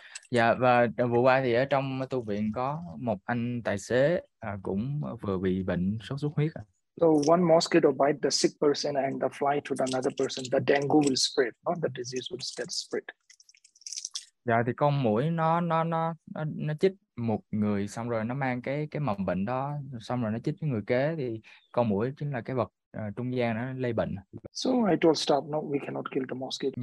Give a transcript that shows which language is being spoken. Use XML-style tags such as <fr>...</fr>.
<vi>Dạ, và vừa qua thì ở trong tu viện có một anh tài xế cũng vừa bị bệnh sốt xuất huyết.</vi> <en>So one mosquito bite the sick person and the fly to another person, the dengue will spread, not the disease will get spread.</en> <vi>Dạ, thì con muỗi nó chích một người xong rồi nó mang cái mầm bệnh đó, xong rồi nó chích cái người kế, thì con muỗi chính là cái vật trung gian nó lây bệnh.</vi> <en>So I told stop, no, we cannot kill the mosquito.</en>